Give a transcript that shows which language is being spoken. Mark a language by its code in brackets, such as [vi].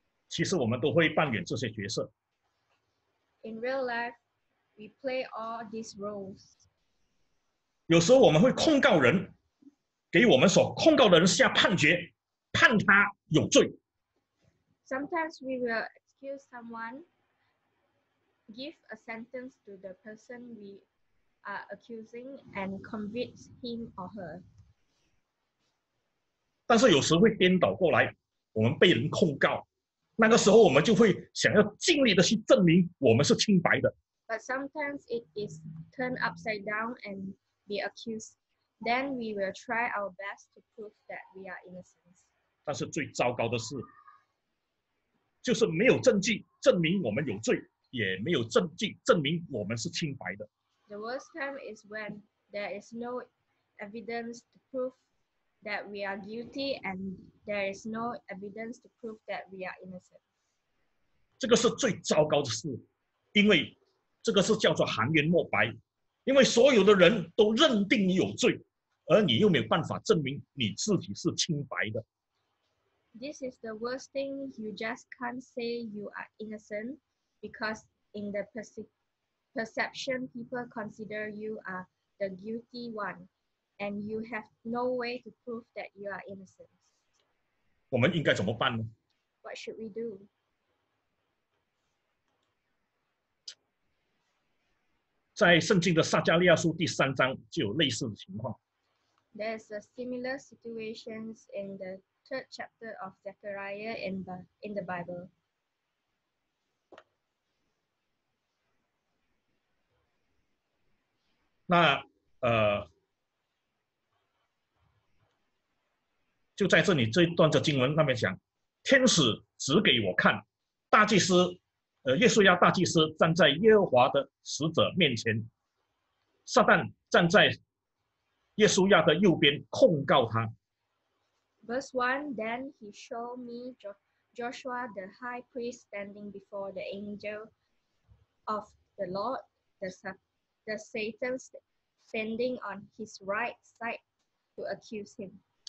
[zh] 其实我们都会扮演这些角色。 [en] In real life, we play all these roles. [zh] 有时候我们会控告人，给我们所控告的人下判决，判他有罪。 [en] Sometimes we will excuse someone, give a sentence to the person we are accusing, and convict him or her. [zh] 但是有时会颠倒过来，我们被人控告。那个时候我们就会想要尽力的去证明我们是清白的。 [en] But sometimes it is turned upside down and be accused. Then we will try our best to prove that we are innocent. [zh] 但是最糟糕的是，就是没有证据证明我们有罪，也没有证据证明我们是清白的。 [en] The worst time is when there is no evidence to prove that we are guilty and there is no evidence to prove that we are innocent. [zh] 这个是最糟糕的事，因为这个是叫做含冤莫白，因为所有的人都认定你有罪，而你又没有办法证明你自己是清白的。 [en] This is the worst thing. You just can't say you are innocent because in the perception, people consider you are the guilty one, and you have no way to prove that you are innocent. [zh] 我们应该怎么办呢？ [en] What should we do? [zh] 在圣经的撒迦利亚书第三章就有类似的情况。 [en] There's a similar situation in the third chapter of Zechariah in the Bible. [zh] 那就在这里这一段的经文那边讲，天使指给我看，大祭司耶稣亚大祭司站在耶和华的使者面前，撒旦站在耶稣亚的右边控告他。 [en] Verse 1, then he showed me Joshua the high priest standing before the angel of the Lord, the Satan standing on his right side to accuse him.